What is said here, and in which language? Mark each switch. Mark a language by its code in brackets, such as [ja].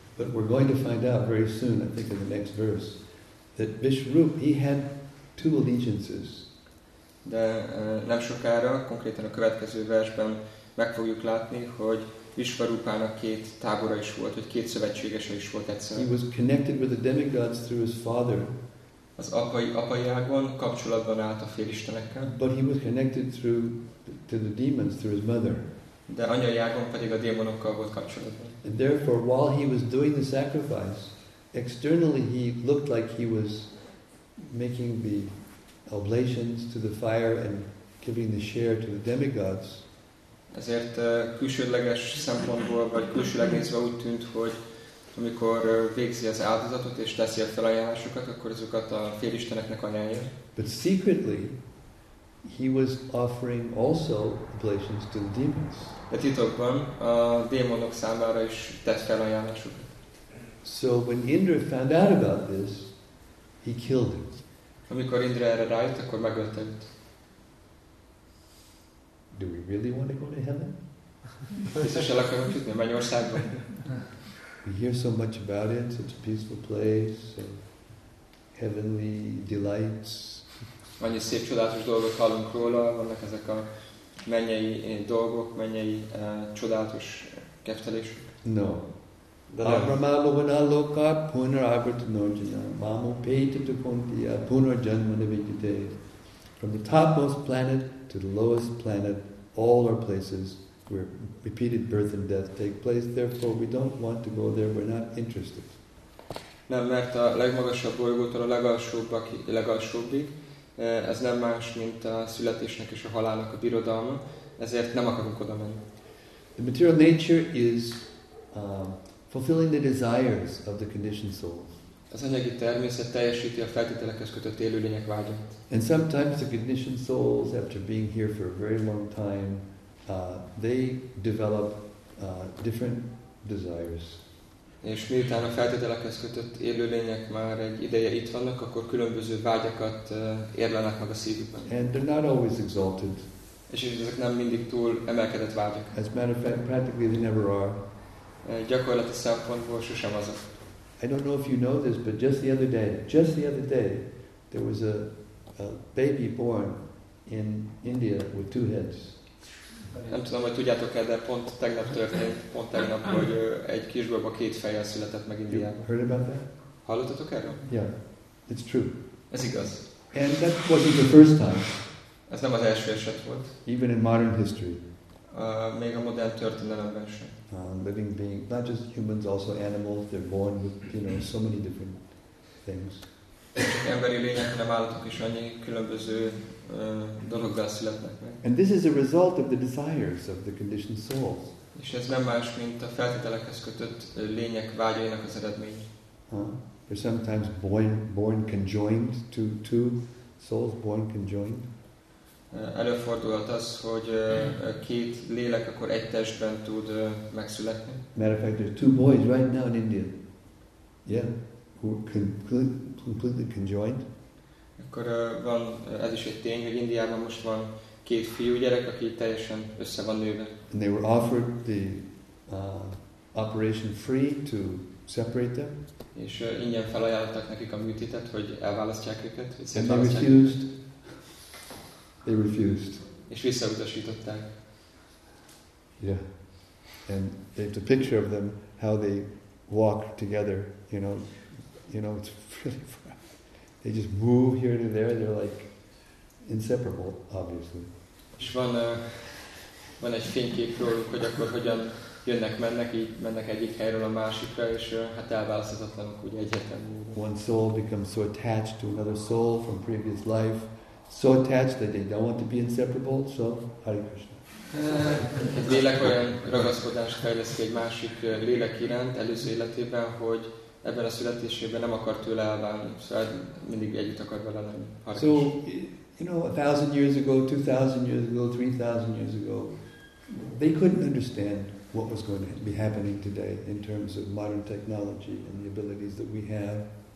[en] But we're going to find out very soon, I think in the next verse, that Vishwarup, he had two allegiances. [hu] De nem sokára, konkrétan a következő versben meg fogjuk látni, hogy Vishwarupának két tábora is volt, hogy két szövetségese is volt egyszerre. [en] He was connected with the demigods through his father. [hu] Az apai ágon kapcsolatban állt a félistenekkel. [en] But he was connected through to the demons through his mother. [hu] De anyai ágon pedig a démonokkal volt kapcsolatban. [en] And therefore, while he was doing the sacrifice, externally he looked like he was making the oblations to the fire and giving the share to the demigods. [hu] Ezért külsődleges szempontból vagy külsőlegészve úgy tűnt, hogy amikor végzi az áldozatot és teszi a felajánlásokat, akkor azokat a félisteneknek ajánlja. [en] But secretly he was offering also oblations to the demons. [hu] De titokban a démonok számára is tett felajánlásokat. [en] So when Indra found out about this, he killed him. [hu] Amikor Indra erre rájött, akkor megölte őt. [en] Do we really want to go to heaven? [hu] Biztos el akarunk jutni a mennyországba. [en] We hear so much about it, such a peaceful place, so heavenly delights. [hu] Annyi szép, csodálatos dolgot hallunk róla, vannak ezek a mennyei dolgok, mennyei csodálatos keftelésük. [sa] No. Abramalovanaloka punar abhritanojana mamo peitita kuntia punar janmanavikite. [en] From the topmost planet to the lowest planet, all are places where repeated birth and death take place. Therefore, we don't want to go there. We're not interested. [hu] Nem, mert a legmagasabb bolygótól a legalsóbbig, ez nem más, mint a születésnek és a halálnak a birodalma. Ezért nem akarunk oda menni. [en] The material nature is fulfilling the desires of the conditioned soul. [hu] Az anyagi természet teljesíti a feltételekhez kötött élőlények vágyat. [en] And sometimes the conditioned souls, after being here for a very long time, they develop different desires. [hu] És miután a feltételekhez kötött élőlények már egy ideje itt vannak, akkor különböző vágyakat érlenek meg a szívükben. [en] And they're not always exalted. [hu] És ezek nem mindig túl emelkedett vágyak. [en] As a matter of fact, practically they never are. [hu] Gyakorlati szempontból sosem azok. [en] I don't know if you know this, but just the other day, there was a baby born in India with two heads. [hu] Nem tudom, hogy tudjátok-e, de pont tegnap történt, pont tegnap, hogy egy kisbaba két fejjel született meg Indiában. [en] You heard about that? [hu] Hallottatok erről? [en] Yeah, it's true. [hu] Ez igaz. [en] And that wasn't the first time. [hu] Ez nem az első eset volt. [en] Even in modern history. [hu] Még a modern történelemben sem. [en] Living being, not just humans, also animals, they're born with, you know, so many different things. [hu] Emberi lények, hanem állatok is annyi különböző dologgal születnek meg. [en] And this is a result of the desires of the conditioned souls. [hu] És ez nem más, mint a feltételekhez kötött lények vágyainak az eredmény. [en] They're sometimes born conjoined to two souls, born conjoined. [hu] Előfordulhat az, hogy két lélek akkor egy testben tud megszületni. [en] Matter of fact, there are two boys right now in India. Yeah, who are completely conjoined. [hu] Akkor van, ez is egy tény, hogy Indiában most van két fiúgyerek, aki teljesen össze van nőve. [en] And they were offered the operation free to separate them. [hu] És ingyen felajánlottak nekik a műtétet, hogy elválasztják őket. [en] And they refused. They refused. [hu] És visszautasították. [en] Yeah. And they have a picture of them, how they walk together, you know, it's really fun. They just move here to there, they're like inseparable, obviously. [hu] És van egy fénykép róluk, hogy akkor hogyan jönnek, mennek, így mennek egyik helyről a másikra, és hát elválaszthatatlanok, ugye egyetemű. [en] One soul becomes so attached to another soul from previous life, so attached that they don't want to be inseparable, so Hare Krishna. [hu] Egy lélek olyan ragaszkodást fejlesz egy másik lélek iránt előző életében, hogy ebben a születésében nem akar tőle elválni, szóval mindig együtt akar vele lenni. [en] So, you know, 1,000 years ago, 2,000 years ago, 3,000 years ago, they couldn't understand what was going to be happening today in terms of modern technology and the abilities that we have.